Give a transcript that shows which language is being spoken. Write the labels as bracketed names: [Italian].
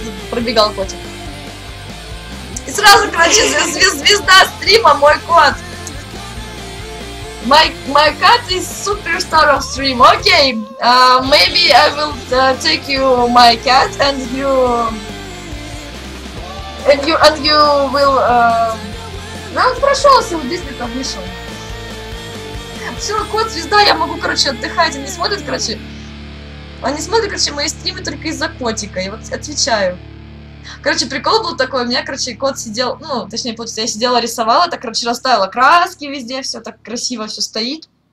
[Russian] Пробегал котик. И сразу, короче, звезда стрима, мой кот. [English] My cat is superstar of stream. Okay, maybe I will take you my cat and you will... [Russian] Ну, он прошелся, он здесь как вышел. Все, кот, звезда, я могу, короче, отдыхать. Они смотрят, короче. Они смотрят, короче, мои стримы только из-за котика. И вот отвечаю. Короче, прикол был такой, у меня, короче, кот сидел, ну, точнее, получается, я сидела, рисовала, так, короче, расставила краски везде, все так красиво все стоит.